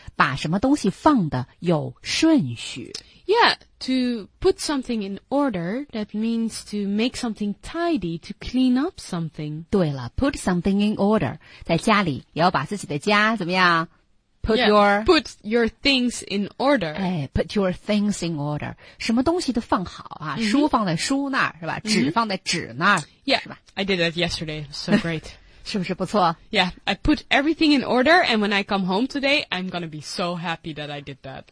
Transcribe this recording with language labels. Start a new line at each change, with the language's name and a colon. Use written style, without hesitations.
Chinese: 把什么东西放得有顺序。
English: Yeah, to put something in order, that means to make something tidy, to clean up something.
Chinese: 对了
English: ,put something in order.
Chinese: 在家里也要把自己的家怎么样 ?put
English: yeah, your... Put your things in order. 哎 ,put your things in order.
Chinese: 什么东西都放好啊、 mm-hmm. 书放在书那儿是吧、 mm-hmm. 纸放在纸那儿。
English: Yeah,
Chinese: 是吧
English: I did that yesterday, so great.
Chinese: 是不是不错
English: Yeah, I put everything in order, and when I come home today, I'm going to be so happy that I did that.